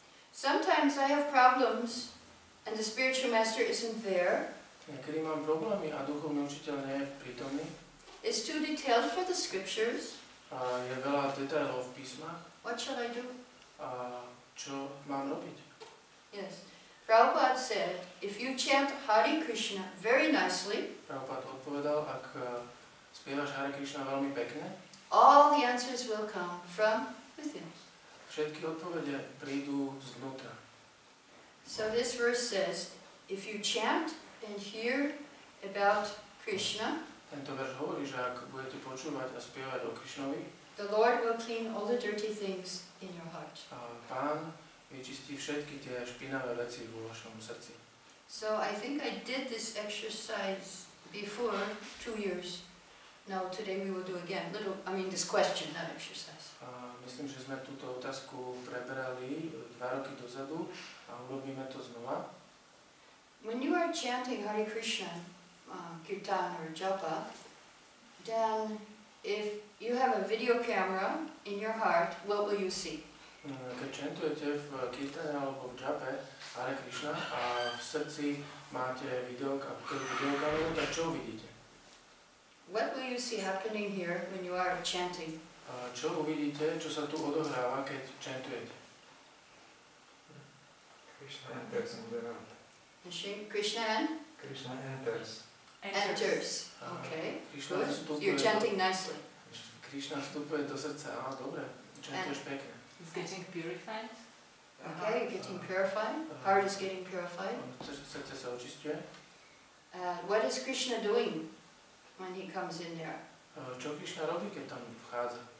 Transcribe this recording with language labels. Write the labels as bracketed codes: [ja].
[en] Sometimes I have problems and the spiritual master isn't there. [sk] Niekedy mám problémy a duchovný učiteľ nie je prítomný. [en] It's too detailed for the scriptures. [sk] Je veľa detailov v písmach. [en] What shall I do? [sk] Čo mám robiť? [en] Yes. Prabhupada said, if you chant Hare Krishna very nicely, [sk] Prabhupada odpovedal, ak spievaš Hare Krishna veľmi pekne, [en] all the answers will come from within. [sk] Všetky odpovede prídu zvnútra. [en] So this verse says, if you chant and hear about Krishna, [sk] Tento verš hovorí, že ak budete počúvať a spievať o Krišnovi, [en] the Lord will clean all the dirty things in your heart. [sk] Pán vyčistí všetky tie špinavé veci vo vašom srdci. [en] So I think I did this exercise before 2 years. Now today we will do again. This question, not exercise. [sk] Myslím, že sme túto otázku preberali 2 roky dozadu a urobíme to znova. [en] When you are chanting Hare Krishna, kirtan or japa, then if you have a video camera in your heart, what will you see? [sk] Keď chantujete v kirtane alebo v japa Hare Krishna a v srdci máte videokameru, tak čo uvidíte? [en] What will you see happening here when you are chanting? [sk] Čo uvidíte, čo sa tu odohráva, keď chantujete? [en] Krishna enters in the heart. Krishna enters. Enters. Okay. [sk] Krishna vstupuje. [en] You're chanting nicely. [sk] Krishna vstupuje do srdca. Ah, dobre. Chantuješ pekne. [en] It's getting purified. Okay, getting purified. Heart is getting purified. [sk] Srdce sa očisťuje. [en] What is Krishna doing when he comes in there? [sk] Čo Krishna robí, keď tam vchádza?